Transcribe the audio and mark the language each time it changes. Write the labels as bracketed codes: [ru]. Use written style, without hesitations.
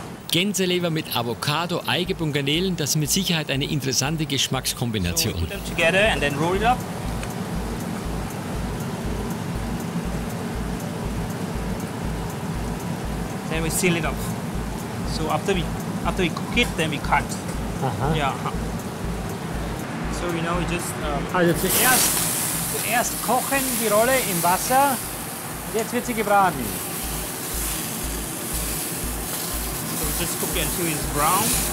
[de] Gänseleber mit Avocado, Eigelb und Garnelen, das ist mit Sicherheit eine interessante Geschmackskombination. [en] So, put them together and then roll it up. Then we seal it up. So after we cook it, then we cut. So you know, we just [de] zuerst kochen die Rolle im Wasser. Jetzt wird sie gebraten. [en] So we just cook it until it's brown.